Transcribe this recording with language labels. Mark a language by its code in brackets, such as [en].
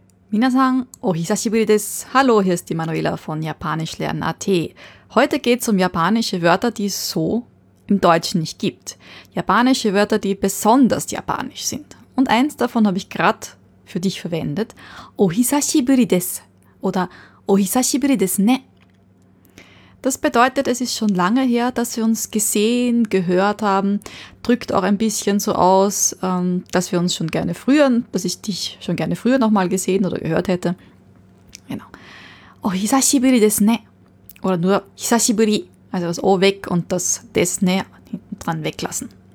[ja] 皆さん、お久しぶりです。 [de] Hallo, hier ist die Manuela von japanischlernen.at. Heute geht's japanische Wörter, die es so im Deutschen nicht gibt. Japanische Wörter, die besonders japanisch sind. Und eins davon habe ich gerade für dich verwendet. [ja] お久しぶりです oder お久しぶりですね. [de] Das bedeutet, es ist schon lange her, dass wir uns gesehen, gehört haben. Drückt auch ein bisschen so aus, dass wir uns schon gerne früher, dass ich dich schon gerne früher nochmal gesehen oder gehört hätte. Genau. [ja] お久しぶりですね. [de] Oder nur [ja] 久しぶり. [de] Also das O weg und das des ne hinten dran weglassen.